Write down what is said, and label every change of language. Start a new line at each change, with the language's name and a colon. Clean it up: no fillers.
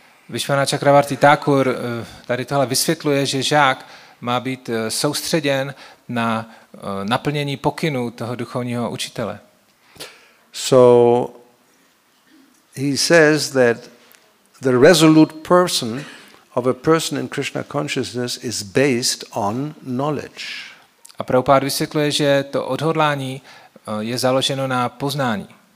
Czech: Vishwanath Chakravarti Thakur tady tohle vysvětluje, že žák má být soustředěn na naplnění pokynů toho duchovního učitele.
English: So he says that the resolute person of a person in Krishna consciousness is based on knowledge.
Czech: A Prabhupada vysvětluje, že to odhodlání je založeno na poznání.